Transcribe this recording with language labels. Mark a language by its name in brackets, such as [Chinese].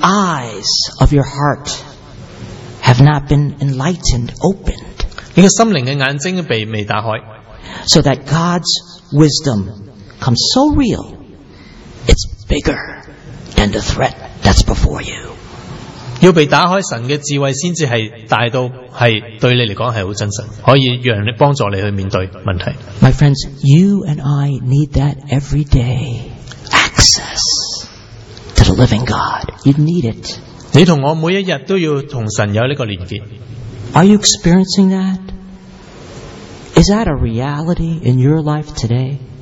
[English] eyes of your heart have not been enlightened, opened. [Cantonese] 你个心灵嘅眼睛未打开。So [English] that God's wisdom comes so real, it's bigger than the threat that's before you. [Cantonese] 要被打开神嘅智慧，先至系大到系对你嚟讲系好真实，可以让你帮助你去面对问题。My [English] friends, you and I need that every day. Access to the living God. You need it. [Cantonese] 你同我每一日都要同神有呢个连结。 [English] Are you experiencing that? Is that a reality in your life today?